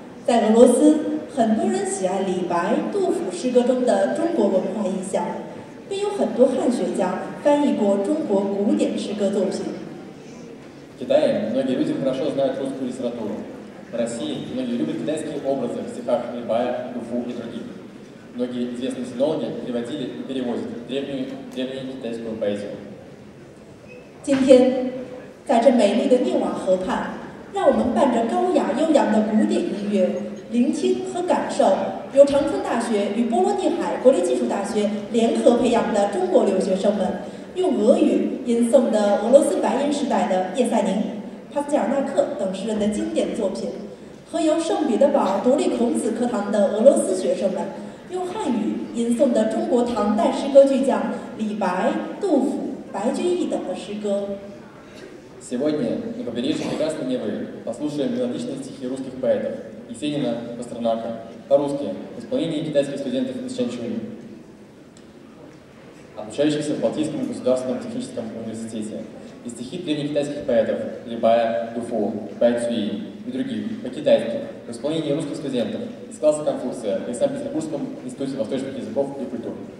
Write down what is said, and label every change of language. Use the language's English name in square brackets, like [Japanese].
[Chinese] 在俄罗斯，很多人喜爱李白、杜甫诗歌中的中国文化意象，并有很多汉学家翻译过中国古典诗歌作品。 [Russian] Китае многие люди хорошо знают русскую литературу. В России многие любят китайские образы в стихах Либая, Дуфу и других. Многие известные синологи переводили и перевозят древнюю китайскую поэзию. [Chinese] 今天, 在这美丽的涅瓦河畔, 让我们伴着高雅悠扬的古典音乐, 聆听和感受, 由长春大学与波罗的海国立技术大学联合培养的中国留学生们, 用俄语吟诵的俄罗斯白银时代的叶赛宁, 帕斯贾纳克等诗人的经典作品，和由圣彼得堡独立孔子课堂的俄罗斯学生们用汉语吟诵的中国唐代诗歌巨匠李白、杜甫、白居易等的诗歌。 [Russian] Сегодня на побережье прекрасной Невы послушаем мелодичные стихи русских поэтов Есенина, Пастернака, по-русски, в исполнении китайских студентов из Чанчжоу, обучающихся в Балтийском государственном техническом университете. И стихи древнекитайских поэтов Либая, Дуфу, Бай Цюи и других по-китайски в исполнении русских студентов из класса Конфуция при Санкт-Петербургском институте восточных языков и культуры.